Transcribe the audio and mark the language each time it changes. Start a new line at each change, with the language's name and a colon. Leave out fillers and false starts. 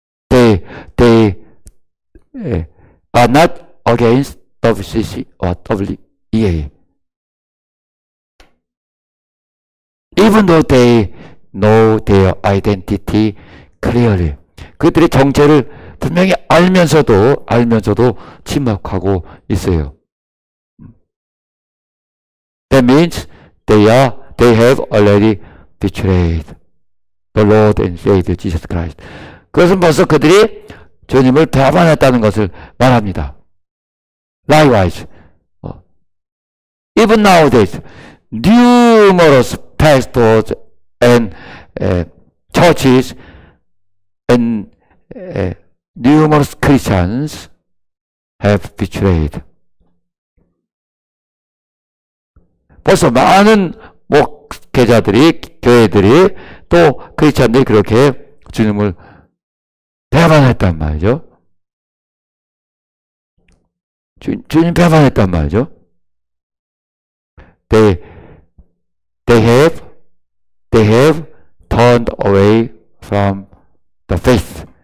English: They are not against WCC or WEA. Even though they know their identity clearly.
Korean: 그들의 정체를 분명히 알면서도 침묵하고 있어요.
English: That means they have already betrayed the Lord and Savior Jesus Christ.
Korean: 그것은 벌써 그들이 주님을 배반했다는 것을 말합니다.
English: Likewise, even nowadays, numerous pastors and churches and numerous Christians have betrayed.
Korean: 벌써 많은 목회자들이, 교회들이, 또 크리스찬들이 그렇게 주님을 배반했단 말이죠. 주님 배반했단 말이죠.
English: They have turned away from the faith.